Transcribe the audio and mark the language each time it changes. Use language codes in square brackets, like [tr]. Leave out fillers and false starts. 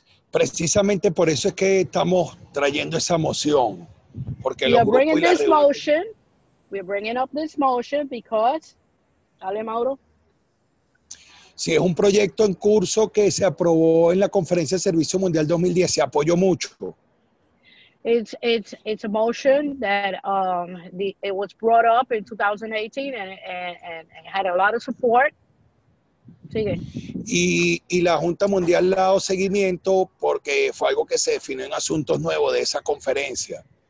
[es] Precisamente por eso es que estamos trayendo esa moción. Porque [en] we are bringing this motion. We're bringing up this motion because... [es] Dale, [en] Mauro. [es] Sí, es un proyecto en curso que se aprobó en la Conferencia de Servicio Mundial 2010. Se apoyó mucho. [en] It's a motion that it was brought up in 2018 and had a lot of support. [es] Sigue. Y la Junta Mundial le ha dado seguimiento porque fue algo que se definió en asuntos nuevos de esa conferencia.